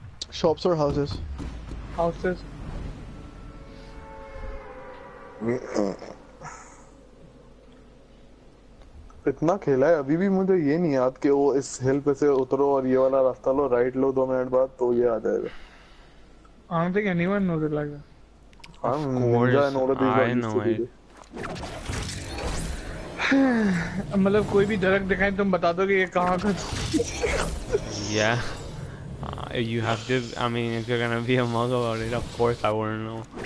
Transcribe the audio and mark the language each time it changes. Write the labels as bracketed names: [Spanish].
[English] Shops or houses? Houses. [Hindi] इतना खेला है अभी भी मुझे ये नहीं याद कि वो इस हिल पे से उतरो और ये वाला रास्ता लो राइट लो दो मिनट बाद तो ये आ जाएगा। [English] I don't think anyone knows it like that. I'm ninja and all of these guys. I know. [Hindi] मतलब कोई भी दरक दिखाए तुम बता दो कि ये कहाँ का है। [English] Yeah. You have to. I mean, if you're gonna be a mug about it, of course I wouldn't know.